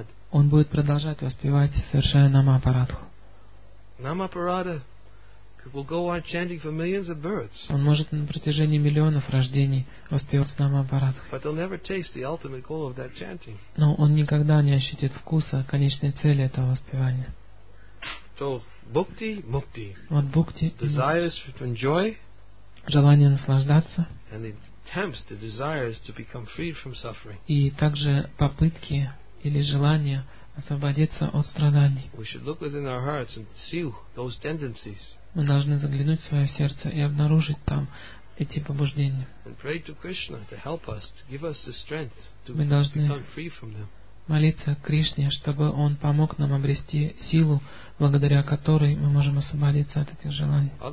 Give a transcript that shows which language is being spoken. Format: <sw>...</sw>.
<ru>Он будет продолжать воспевать, совершая намапарадху.</ru> <en>Намапарада will go on chanting for millions of births.</en> <ru>Он может на протяжении миллионов рождений воспевать намапарадху.</ru> <en>But he'll never taste the ultimate goal of that chanting.</en> <ru>Но он никогда не ощутит вкуса конечной цели этого воспевания.</ru> <en>So, bhukti, mukti.</en> <ru>Вот bhukti.</ru> <en>Desires to enjoy.</en> <ru>Желание наслаждаться.</ru> <en>And the attempts, the desires to become free from suffering.</en> <ru>И также попытки или желания освободиться от страданий.</ru> <en>We should look within our hearts and see those tendencies.</en> <ru>Мы должны заглянуть в свое сердце и обнаружить там эти побуждения. Мы должны молиться Кришне, чтобы Он помог нам обрести силу, благодаря которой мы можем освободиться от этих желаний.</ru>